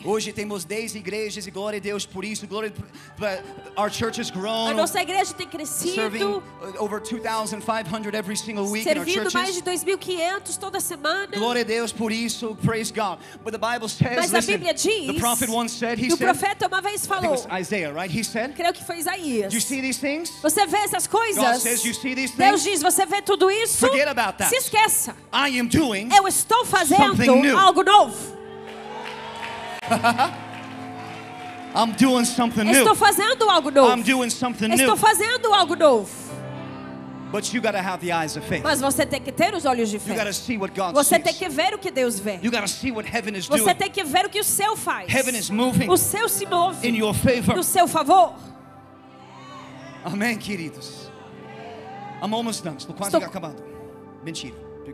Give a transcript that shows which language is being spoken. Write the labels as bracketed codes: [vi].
[pt] Hoje temos 10 igrejas e glória a Deus por isso. [en] Glória, but our church has grown. [pt] A nossa igreja tem crescido. [en] Serving over 2,500 every single week in our churches. [pt] Servindo mais de 2,500 toda semana. Glória a Deus por isso. [en] Praise God. But the Bible says. [pt] Mas a Bíblia diz. [en] The prophet once said. He [pt] said. O profeta uma vez falou. [en] Isaiah, right? He said. [pt] Creio que foi Isaías. [en] Do you see these things? [pt] Você vê essas coisas? [en] God says, you see these things? [pt] Deus diz, você vê tudo isso? [en] Forget about that. [pt] Se esqueça. [en] I am doing. [pt] Eu estou fazendo. [en] Something new. I'm doing something new. [pt] Estou fazendo algo novo. [en] I'm doing something [pt] estou [en] new. [pt] Estou fazendo algo novo. [en] But you got to have the eyes of faith. [pt] Mas você tem que ter os olhos de fé. [en] You got to see what God [pt] você [en] sees. [pt] Você tem que ver o que Deus vê. [en] You got to see what heaven is [pt] você [en] doing. [pt] Você tem que ver o que o céu faz. [en] Heaven is moving. [pt] O céu se move. [en] In your favor. [pt] No seu favor. Amém, queridos. [en] I'm almost done. [pt] Estou quase acabando. Mentira.